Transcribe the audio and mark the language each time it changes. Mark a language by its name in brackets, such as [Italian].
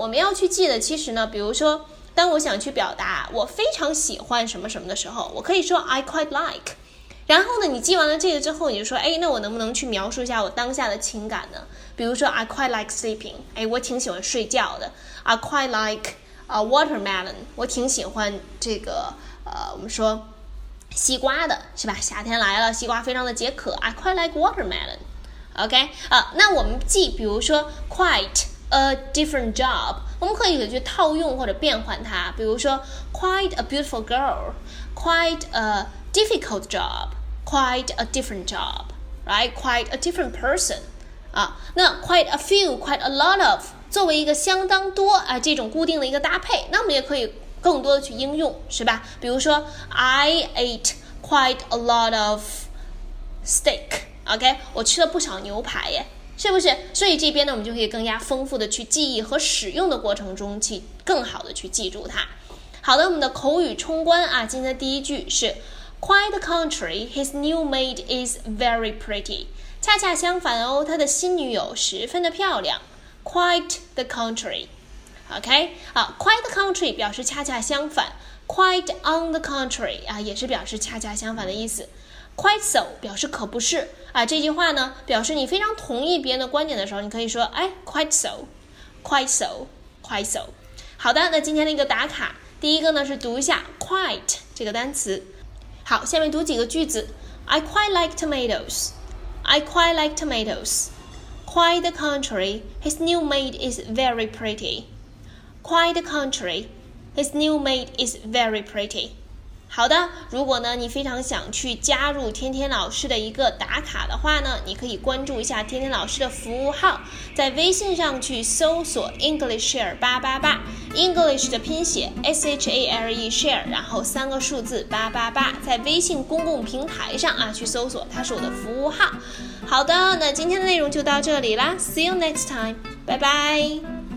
[Chinese] 我们要去记的其实呢，比如说当我想去表达我非常喜欢什么什么的时候，我可以说 I quite like，然后呢你记完了这个之后你就说哎，那我能不能去描述一下我当下的情感呢，比如说 [English] I quite like sleeping， [Chinese] 哎，我挺喜欢睡觉的。 [English] I quite like watermelon， [Chinese] 我挺喜欢这个我们说西瓜的是吧，夏天来了西瓜非常的解渴， I quite like watermelon。 OK， 那我们记比如说 [English] quite a different job， 我们可以去套用或者变换它，比如说 quite a beautiful girl， quite a difficult job， quite a different job， right， quite a different person， [Chinese] 那 [English] quite a few， quite a lot of [Chinese] 作为一个相当多啊这种固定的一个搭配，那我们也可以更多的去应用是吧。 [English] 比如说 I ate quite a lot of steak， OK， [Chinese] 我吃了不少牛排耶，是不是。所以这边呢我们就可以更加丰富的去记忆和使用的过程中去更好的去记住它。好的，我们的口语冲关啊，今天的第一句是 [English] Quite the contrary, his new maid is very pretty. [Chinese] 恰恰相反哦，他的新女友十分的漂亮。 [English] Quite the contrary. OK， Quite the contrary [Chinese] 表示恰恰相反。 [English] Quite on the contrary 也是表示恰恰相反的意思。 [Chinese] quite so 表示可不是啊，这句话呢表示你非常同意别人的观点的时候，你可以说哎 [English] quite so quite so quite so。 [Chinese] 好的，那今天的一个打卡，第一个呢是读一下 quite 这个单词。好，下面读几个句子。 [English] I quite like tomatoes I quite like tomatoes Quite the contrary, his new maid is very pretty Quite the contrary, his new maid is very pretty。 [Chinese] 好的，如果呢你非常想去加入天天老师的一个打卡的话呢，你可以关注一下天天老师的服务号，在微信上去搜索 EnglishShare888， English 的拼写 SHARE Share， 然后三个数字888，在微信公共平台上啊去搜索，它是我的服务号。好的，那今天的内容就到这里啦， [English] See you next time， [Chinese] 拜拜。